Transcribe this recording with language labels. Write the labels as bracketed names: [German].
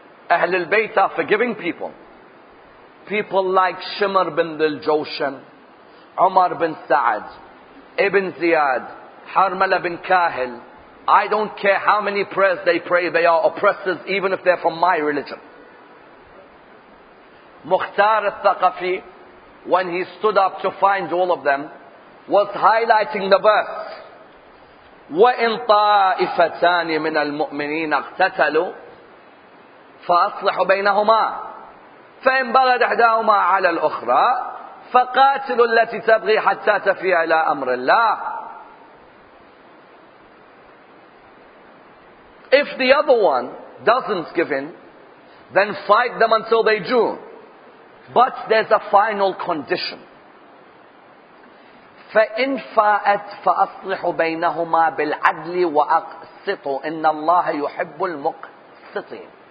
[English] Ahlul Bayt are forgiving people. People like Shimr bin Dil-Joshan, Umar bin Sa'd, Ibn Ziyad, Harmala bin Kahil, I don't care how many prayers they pray, they are oppressors even if they're from my religion. Mukhtar al-Thaqafi, when he stood up to find all of them, was highlighting the verse, [Arabic] وَإِن طَائِفَتَانِ مِنَ الْمُؤْمِنِينَ اَقْتَتَلُوا فَأَصْلِحُ بَيْنَهُمَا فَإِنْ بَغَدْ إِحْدَاهُمَا عَلَى الْأُخْرَى فَقَاتِلُوا الَّتِي تَبْغِي حَتَّى تَفِيَ إِلَىٰ أَمْرِ اللَّهِ. [English] If the other one doesn't give in, then fight them until they do. But there's a final condition. [Arabic] فَإِنْ فَاءَتْ فَأَصْلِحُ بَيْنَهُمَا بِالْعَدْلِ وَأَقْسِطُ إِنَّ اللَّهَ يُحِبُّ الْمُقْسِطِينَ.